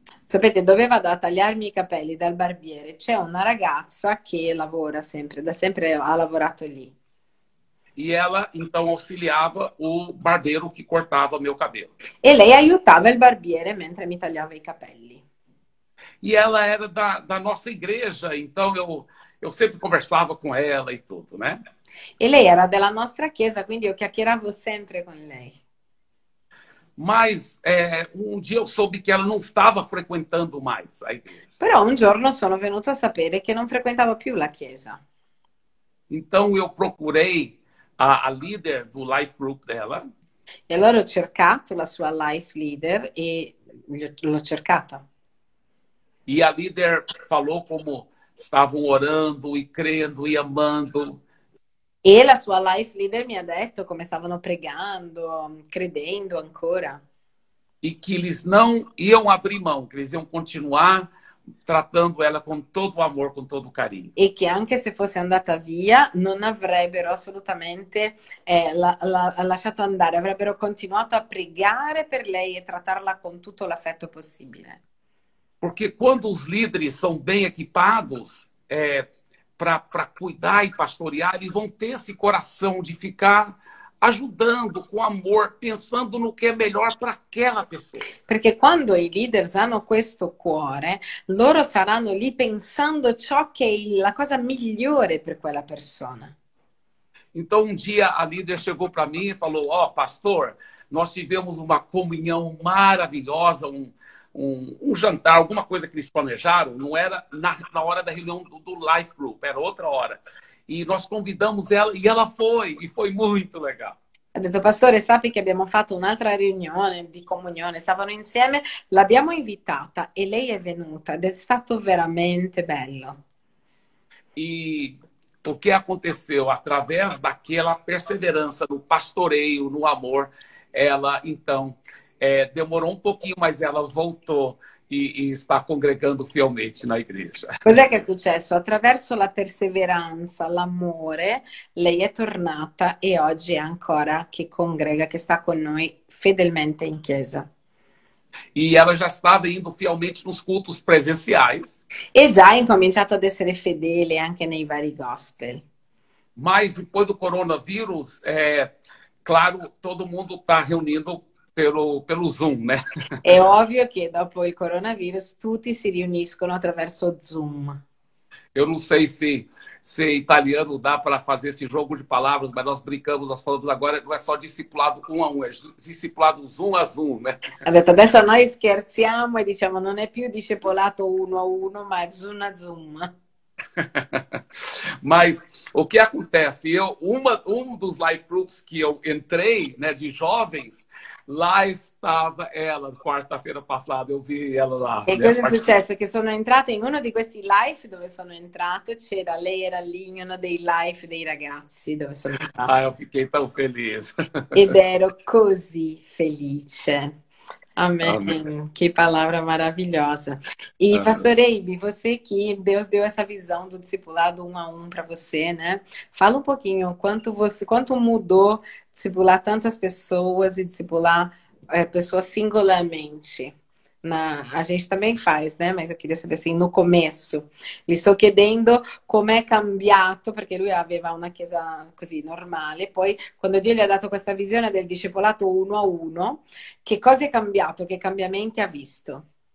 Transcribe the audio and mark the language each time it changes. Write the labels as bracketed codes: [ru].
[it] Sapete, dove vado a tagliarmi i capelli dal barbiere? C'è una ragazza che lavora sempre, da sempre ha lavorato lì. [pt] E ela, então, auxiliava o barbeiro che cortava [it] il mio [pt] cabelo. [it] E lei aiutava il barbiere mentre mi tagliava i capelli. [pt] E ela era da nostra igreja, então eu sempre conversava com ela e tudo, né? [it] E lei era della nostra chiesa, quindi io chiacchieravo sempre con lei. [pt] Mas um dia eu soube que ela não estava frequentando mais a igreja. [it] Però un giorno sono venuto a sapere che non frequentava più la chiesa. [pt] Então eu procurei a líder do life group dela. [it] E allora ho cercato la sua life leader e l'ho cercata. [pt] E a líder falou como estavam orando e crendo e amando. [it] E la sua life leader mi ha detto come stavano pregando, credendo ancora. [pt] E que eles não iam abrir mão, que eles iam continuar tratando ela com todo o amor, com todo o carinho. [it] E que, anche se fosse andata via, não avrebbero assolutamente lasciato andare, avrebbero continuato a pregare per lei e trattarla con tutto l'affetto possibile. [pt] Porque quando os líderes são bem equipados, para cuidar e pastorear, eles vão ter esse coração de ficar ajudando com amor, pensando no que é melhor para aquela pessoa. [it] Porque quando i leaders hanno questo cuore, loro saranno lì pensando ciò che è la cosa migliore per quella persona. [pt] Então, um dia a líder chegou para mim e falou: ó, pastor, nós tivemos uma comunhão maravilhosa, um jantar, alguma coisa que eles planejaram. Não era na hora da reunião do Life Group, era outra hora. E nós convidamos ela, e ela foi, e foi muito legal. [it] Detto, pastore, sappi che abbiamo fatto un'altra riunione di comunione, stavano insieme, l'abbiamo invitata e lei è venuta ed è stato veramente bello. [pt] E o que aconteceu? Através daquela perseverança, no pastoreio, no amor, ela, então, demorou um pouquinho, mas ela voltou e está congregando fielmente na igreja. [it] Cos'è che è successo? Attraverso la perseveranza, l'amore, lei è tornata e oggi è ancora che congrega, che sta con noi fedelmente in chiesa. [pt] E ela já estava indo fielmente nos cultos presenciais. [it] E già ha incominciato ad essere fedele anche nei vari gospel. [pt] Mas depois do coronavírus, claro, todo mundo está reunindo pelo Zoom, né? [it] È ovvio che dopo il coronavirus tutti si riuniscono attraverso Zoom. [pt] Eu não sei se italiano dá para fazer esse jogo de palavras, mas nós brincamos, nós falamos agora, não é só discipulado um a um, é discipulado Zoom a Zoom, né? [it] Ha detto, adesso noi scherziamo e diciamo non è più discipulato uno a uno, ma Zoom a Zoom. [pt] Mas o que acontece? Um dos life groups que eu entrei, né, de jovens, lá estava ela, quarta-feira passada, eu vi ela lá. [it] E né, cosa è successo? Che sono entrata in uno di questi life dove sono entrata, c'era lei, era lì in uno dei life dei ragazzi dove sono entrata. [pt] Ah, eu fiquei tão feliz. [it] Ed ero così felice. Amém. Amém. [pt] Que palavra maravilhosa. E, amém, pastor Abe, você que Deus deu essa visão do discipulado um a um para você, né? Fala um pouquinho, quanto mudou discipular tantas pessoas e discipular pessoas singularmente? A gente também faz, né? Mas eu queria saber, assim, no começo. Lhe estou [it] chiedendo como é cambiato, porque lui aveva uma chiesa così normale. Poi, quando Dio lhe ha dato questa visione del discipolato uno a uno, che cosa è cambiato? Che cambiamenti ha visto?